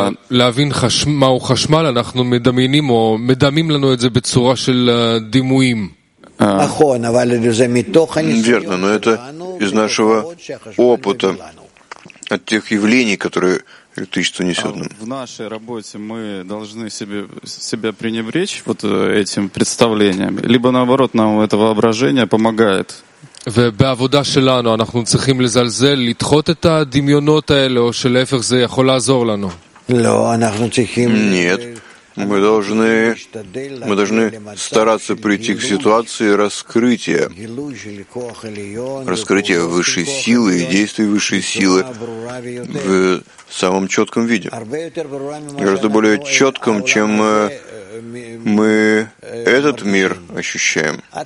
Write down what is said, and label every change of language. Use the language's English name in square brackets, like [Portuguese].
[Hebrew] להבין מהו חשמל, אנחנו מדמיינים או מדמים לנו את זה בצורה של דימויים. נכון, אבל זה מתוך הניסיון. [Russian] Верно, но это из нашего опыта, от тех явлений, которые электричество несет нам. В нашей работе мы должны себя пренебречь вот этим представлением, либо наоборот, нам это воображение помогает. [Hebrew] ובעבודה שלנו אנחנו צריכים לזלזל, לדחות את הדמיונות האלה, או שלהפך זה יכול לעזור לנו. לא, אנחנו צריכים... [Russian] Нет, мы должны стараться прийти к ситуации раскрытия высшей силы и действий высшей силы в самом четком виде. Гораздо более четком, чем мы этот мир ощущаем.